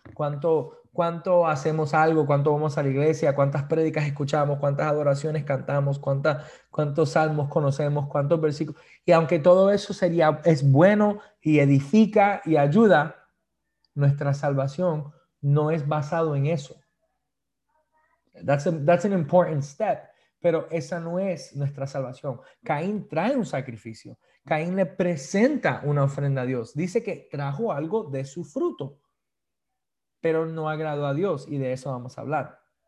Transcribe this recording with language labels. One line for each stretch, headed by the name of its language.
Spanish: ¿Cuánto hacemos algo? ¿Cuánto vamos a la iglesia? ¿Cuántas prédicas escuchamos? ¿Cuántas adoraciones cantamos? ¿Cuántos salmos conocemos? ¿Cuántos versículos? Y aunque todo eso es bueno y edifica y ayuda, nuestra salvación no es basado en eso.
English: That's an important step.
Spanish: Pero esa no es nuestra salvación. Caín trae un sacrificio. Caín le presenta una ofrenda a Dios. Dice que trajo algo de su fruto, pero no agradó a Dios. Y de eso vamos a hablar.